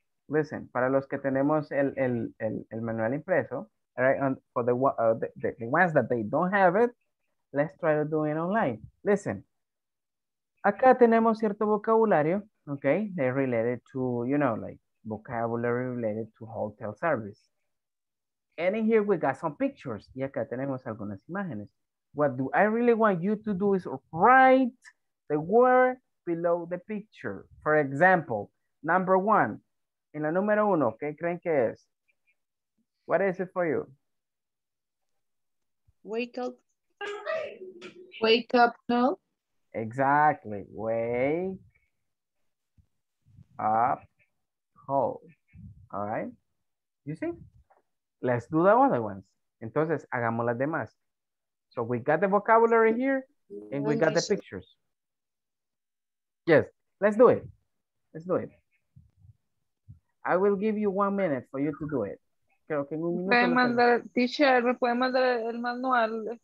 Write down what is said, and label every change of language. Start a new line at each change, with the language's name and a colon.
Spanish: Listen, para los que tenemos el manual impreso,
English: right? And for the ones that they don't have it, let's try to do it online.
Spanish: Listen, acá tenemos cierto vocabulario, okay?
English: They're related to, you know, like vocabulary related to hotel service. And in here we got some pictures.
Spanish: Y acá tenemos algunas imágenes.
English: What do I really want you to do is write the word below the picture. For example, number one.
Spanish: En la número uno, ¿qué creen que es?
English: What is it for you? Wake up call. Exactly. Wake up call. All right. You see? Let's do the other ones.
Spanish: Entonces, hagamos las demás.
English: So we got the vocabulary here and we got the pictures. Yes, let's do it. I will give you 1 minute for you to do it.
Spanish: Creo que en un minuto. Puede mandar, teacher, me puede mandar el manual.